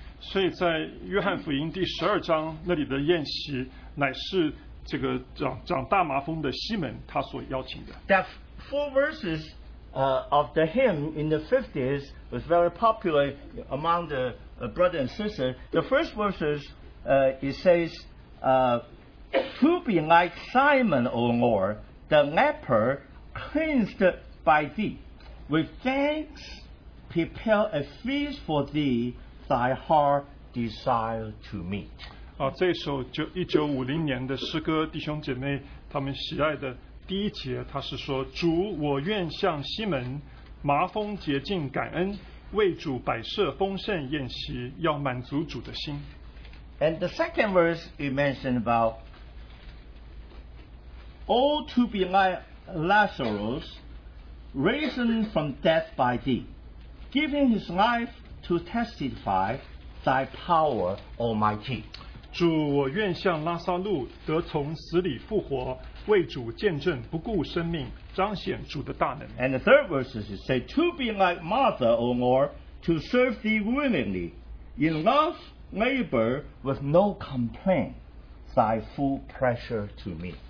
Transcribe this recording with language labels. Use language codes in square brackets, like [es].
[zh] 所以在约翰福音第十二章那里的宴席乃是这个 长大麻风的西门他所邀请的 [en] That four verses of the hymn in the 50s was very popular among the brothers and sisters The first verses it says To be like Simon, O Lord the leper cleansed by thee with thanks prepare a feast for thee thy heart desire to meet [zh] 这首1950年的诗歌弟兄姐妹他们喜爱的第一节他是说主我愿向西门麻风洁净感恩为主摆设丰盛宴席要满足主的心 [en] And the second verse you mentioned about All to be like Lazarus Risen from death by thee Giving his life to testify Thy power almighty [zh] 主我愿向拉撒路得从死里复活为主见证不顾生命彰显主的大能 [en] And the third verse is say To be like Martha O Lord To serve thee willingly In love labor with no complaint Thy full pressure to meet